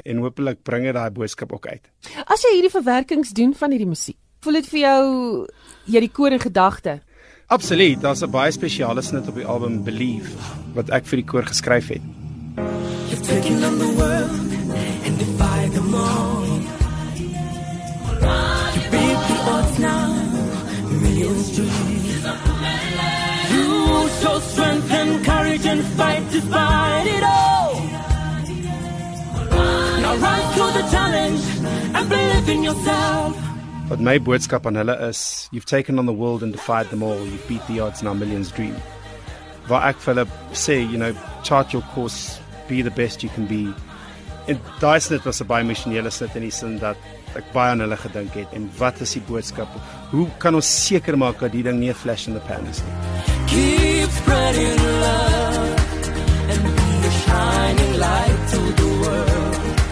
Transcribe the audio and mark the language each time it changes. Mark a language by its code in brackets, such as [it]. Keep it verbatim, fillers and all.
[af] En hopelik bring dit daai boodskap ook uit. As jy hierdie verwerkings doen van hierdie musiek, voel dit vir jou, jy die koor in gedagte? Absoluut, daar's 'n baie spesiale snit op die album Believe, wat ek vir die koor geskryf het. [en] You've taken on the world and defied them all. You beat the odds now Union Street. You show strength and courage and fight to fight it all. Now rise to the challenge and believe in yourself. [af] Wat my boodskap aan hulle is, [en] you've taken on the world and defied them all, you've beat the odds, now millions dream. [af] Waar ek vir hulle sê, [en] you know, chart your course, be the best you can be. [af] En daai snit was 'n baie missionele snit in die sin dat ek baie aan hulle gedink het en wat is die boodskap? Hoe kan ons seker maak dat die ding nie 'n [en] flash in the pan [af] is nie? [en] Keep spreading love and be the shining light to the world.